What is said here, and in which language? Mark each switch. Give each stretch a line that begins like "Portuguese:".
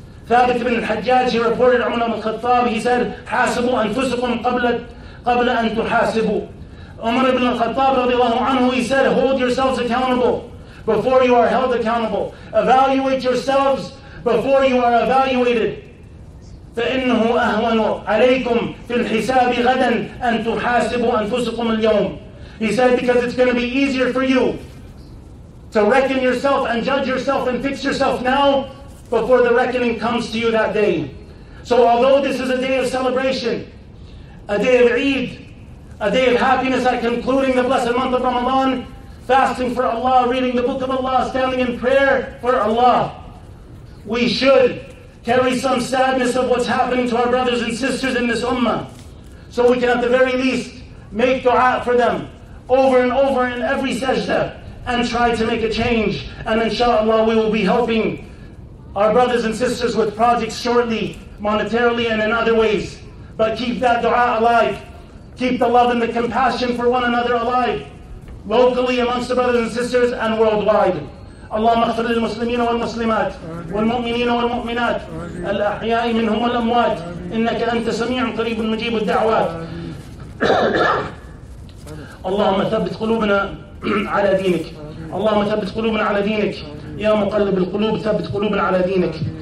English: Thabit ibn al-Hajjaj, he reported Umar ibn al-Khattab, he said,
Arabic: حَاسِبُوا أَنفُسُكُمْ قَبْلَ أَن تُحَاسِبُوا.
English: Umar ibn al-Khattab, رضي الله عنه, he said, hold yourselves accountable before you are held accountable. Evaluate yourselves before you are evaluated.
Arabic: فإنه أهون عليكم في الحساب غدا أن تحاسبوا أنفسكم اليوم.
English: He said, because it's going to be easier for you to reckon yourself and judge yourself and fix yourself now before the reckoning comes to you that day. So although this is a day of celebration, a day of Eid, a day of happiness at concluding the blessed month of Ramadan, fasting for Allah, reading the book of Allah, standing in prayer for Allah, we should carry some sadness of what's happening to our brothers and sisters in this ummah, so we can at the very least make dua for them over and over in every sajda and try to make a change. And inshallah, we will be helping our brothers and sisters with projects shortly, monetarily and in other ways. But keep that dua alive. Keep the love and the compassion for one another alive, locally amongst the brothers and sisters and worldwide.
Arabic: اللهم اغفر للمسلمين والمسلمات والمؤمنين والمؤمنات الأحياء منهم والأموات إنك أنت سميع قريب مجيب الدعوات اللهم ثبت قلوبنا على دينك اللهم ثبت قلوبنا على دينك يا مقلب القلوب ثبت قلوبنا على دينك